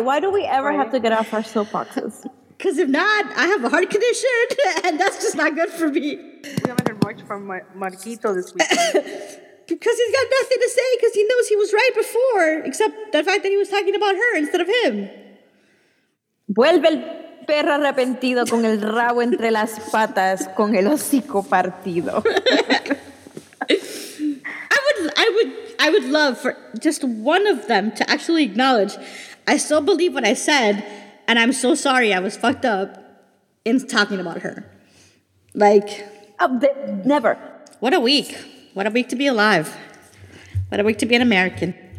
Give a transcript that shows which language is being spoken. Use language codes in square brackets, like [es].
[en] Why do we ever have to get off our soapboxes? Because if not, I have a heart condition and that's just not good for me. We haven't heard much from Marquito this week. Because he's got nothing to say because he knows he was right before, except the fact that he was talking about her instead of him. [es] Vuelve el perro arrepentido con el rabo entre las patas con el hocico partido. [en] I would love for just one of them to actually acknowledge, I still believe what I said, and I'm so sorry I was fucked up in talking about her. Like, never. What a week. What a week to be alive. What a week to be an American.